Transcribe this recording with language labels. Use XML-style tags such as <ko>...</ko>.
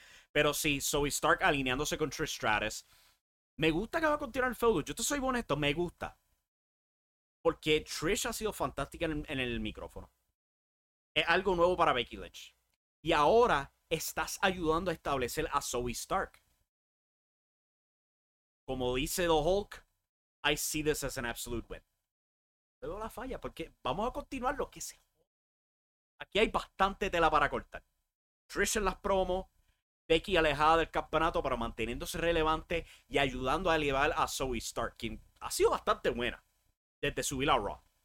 <es>Pero sí, Zoe Stark alineándose con Trish Stratus. Me gusta que va a continuar el feudo, yo te soy honesto, me gusta. Porque Trish ha sido fantástica en el micrófono. Es algo nuevo para Becky Lynch. Y ahora estás ayudando a establecer a Zoe Stark. Como dice</es> <en>The Hulk, I see this as an absolute win.</en> <es>Luego la falla, porque vamos a continuar lo que sea. Aquí hay bastante tela para cortar. Trish en las promos, Becky alejada del campeonato, pero manteniéndose relevante y ayudando a elevar a Zoe Stark, quien ha sido bastante buena desde subir a Raw.</es>